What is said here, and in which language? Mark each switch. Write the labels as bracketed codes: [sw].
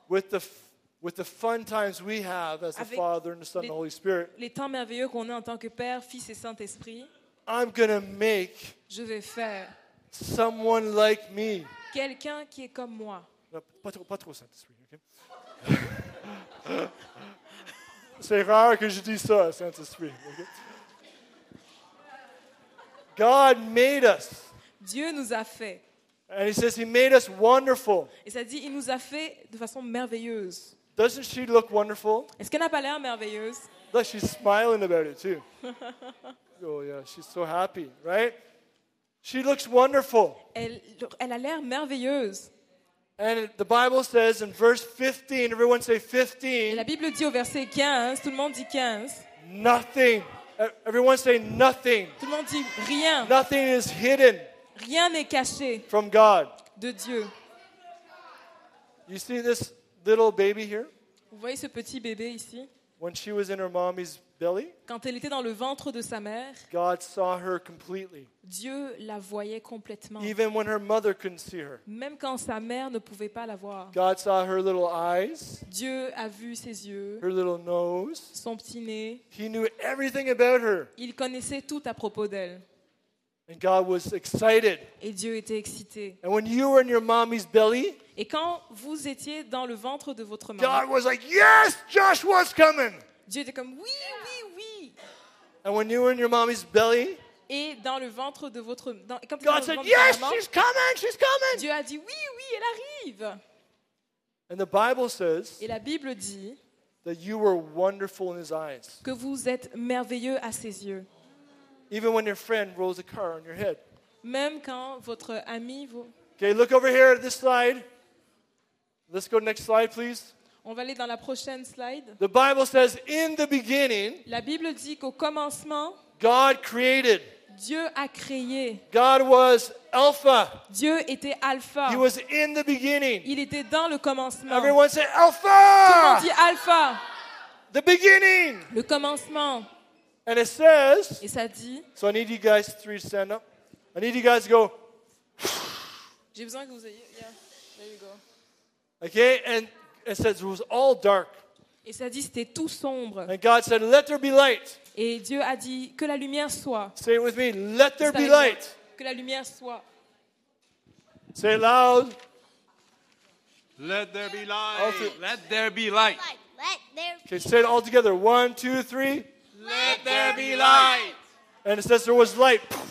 [en] With the fun times we have as the Father and the Son and the Holy Spirit. [fr] Les temps merveilleux qu'on a en tant que Père, Fils et Saint-Esprit. [en] I'm gonna make. [fr] Je vais faire. [en] Someone like me. [fr] Quelqu'un qui est comme moi. No, pas trop Saint-Esprit, okay? C'est rare que je dise ça, Saint-Esprit. [en] Okay? God made us. [fr] Dieu nous a fait. [en] And he says he made us wonderful. [fr] Et ça dit, il nous a fait de façon merveilleuse. [en] Doesn't she look wonderful? [fr] Est-ce qu'elle n'a pas l'air merveilleuse? [en] Look, she's smiling about it too. Oh yeah, she's so happy, right? She looks wonderful. [fr] Elle a l'air merveilleuse. [en] And the Bible says in verse 15, everyone say 15. [fr] Et la Bible dit au verset 15, tout le monde dit 15. [en] Nothing. Everyone say nothing. [fr] Tout le monde dit rien. [en] Nothing is hidden. [fr] Rien n'est caché. [en] From God. [fr] De Dieu. [en] You see this little baby here? [fr] Vous voyez ce petit bébé ici? [en] When she was in her mommy's belly? [fr] Quand elle était dans le ventre de sa mère. [en] God saw her completely. [fr] Dieu la voyait complètement. [en] Even when her mother couldn't see her. [fr] Même quand sa mère ne pouvait pas la voir. [en] God saw her little eyes. [fr] Dieu a vu ses yeux. [en] Her little nose. [fr] Son petit nez. [en] He knew everything about her. [fr] Il connaissait tout à propos d'elle. [en] And God was excited. [fr] Et Dieu était excité. [en] And when you were in your mommy's belly, [fr] et quand vous étiez dans le ventre de votre maman, [en] God was like, yes, Joshua's coming. [fr] Dieu était comme, oui, oui, oui. [en] And when you were in your mommy's belly, [fr] et dans le ventre de votre dans, quand [en] God [fr] dans [en] said, [fr] le ventre [en] yes, [fr] de maman, [en] she's coming, she's coming. [fr] Dieu a dit, oui, oui, elle arrive. [en] And the Bible says, [fr] et la Bible dit, [en] that you were wonderful in his eyes. [fr] Que vous êtes merveilleux à ses yeux. [en] Even when your friend rolls a car on your head. [fr] Même quand votre ami vous. [en] Okay, look over here at this slide. Let's go to the next slide, please. [fr] On va aller dans la prochaine slide. [en] The Bible says, in the beginning. [fr] La Bible dit qu'au commencement. [en] God created. [fr] Dieu a créé. [en] God was Alpha. [fr] Dieu était Alpha. [en] He was in the beginning. [fr] Il était dans le commencement. [en] Everyone say Alpha. [fr] Tout le monde dit Alpha. [en] The beginning. [fr] Le commencement. [en] And it says, [fr] et ça dit, [en] so I need you guys three to stand up. I need you guys to go. [fr] J'ai besoin que vous ayez, [en] yeah, there you go. Okay, and it says it was all dark. [fr] Et ça dit, c'était tout sombre. [en] And God said, let there be light. [fr] Et Dieu a dit, que la lumière soit. [en] Say it with me, let there be light. [fr] Que la lumière soit. [en] Say it loud. Let there be light. Let there be light. Okay, say it all together. One, two, three. Let there be light. And it says there was light.